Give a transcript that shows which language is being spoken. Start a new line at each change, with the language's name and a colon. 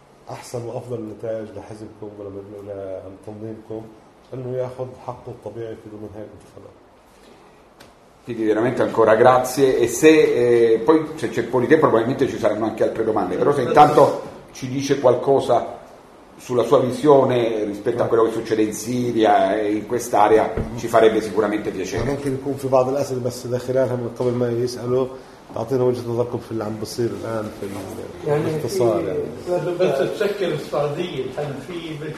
Arabic: احسن وافضل نتائج لحزبكم ولا لتنظيمكم انه ياخذ حقه الطبيعي في ضمن هاي الانتخابات.
Italian: Quindi veramente ancora grazie, e se poi se c'è un po' di tempo probabilmente ci saranno anche altre domande, però se intanto ci dice qualcosa sulla sua visione rispetto a quello che succede in Siria e in quest'area ci farebbe sicuramente piacere. Anche il confronto con altri aspetti, ma se da
Arabic: خلالها من قبل ما يسألوا تعطينا وجهة نظركم في اللي عم بصير الآن في الاقتصاد. يعني بس تشكل السعودية الحين في